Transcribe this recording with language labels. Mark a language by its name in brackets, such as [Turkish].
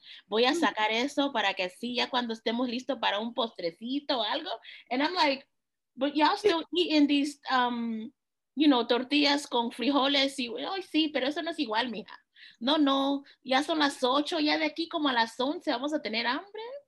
[Spanish] Voy a sacar eso para que así ya cuando estemos listos para un postrecito o algo. [English] And I'm like, but y'all still eating these, you know, [Spanish] tortillas con frijoles. Y, oh, sí, pero eso no es igual, mija. No, ya son las 8, ya de aquí como a las 11 vamos a tener hambre.